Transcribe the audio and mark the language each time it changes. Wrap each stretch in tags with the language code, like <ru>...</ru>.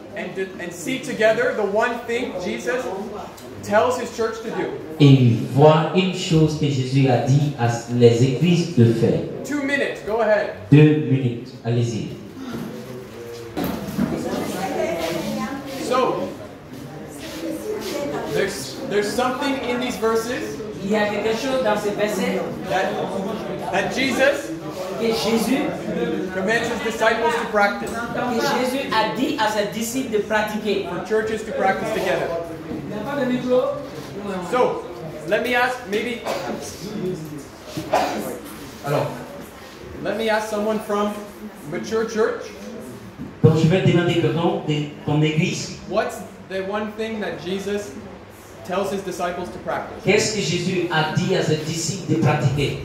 <en>And see together the one thing Jesus tells his church to do.</en> <fr>Et voir une chose que Jésus a dit à les églises de faire.</fr> <en>2 minutes, go ahead.</en> <fr>2 minutes, allez-y.</fr> <en>So, there's something in these verses.</en> <fr>Il y a quelque chose dans ces versets.</fr> <en>That Jesus.</en> <fr>Et Jésus</fr> <en>commands his disciples to practice.</en> <fr>Et Jésus a dit à ses disciples de pratiquer.</fr> <en>For churches to practice together. So, let me ask, maybe.</en> <fr>Alors,</fr> <en>let me ask someone from mature church.</en> <fr>Donc je vais demander quelqu'un de ton église.</fr> <en>What's the one thing that Jesus tells his disciples to practice?</en> <fr>Qu'est-ce que Jésus a dit à ses disciples de pratiquer?</fr>